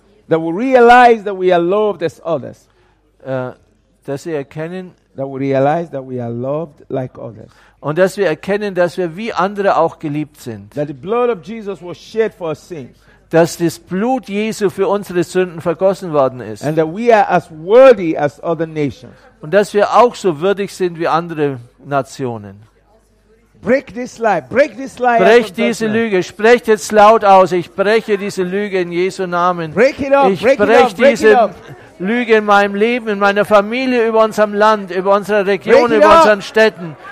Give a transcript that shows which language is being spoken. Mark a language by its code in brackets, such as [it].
[en] That we realize that we are loved as others. [de] Dass wir erkennen. [en] That we realize that we are loved like others. [de] Und dass wir erkennen, dass wir wie andere auch geliebt sind. [en] That the blood of Jesus was shed for our sins. [de] Dass das Blut Jesu für unsere Sünden vergossen worden ist. [en] And that we are as worthy as other nations. [de] Und dass wir auch so würdig sind wie andere Nationen. [en] Break this lie. Break this lie. [de] Brech diese Lüge. Sprecht jetzt laut aus. Ich breche diese Lüge in Jesu Namen. [en] Break it up. [de] Ich breche diese Lüge in meinem Leben, in meiner Familie, über unserem Land, über unsere Region, über unseren Städten.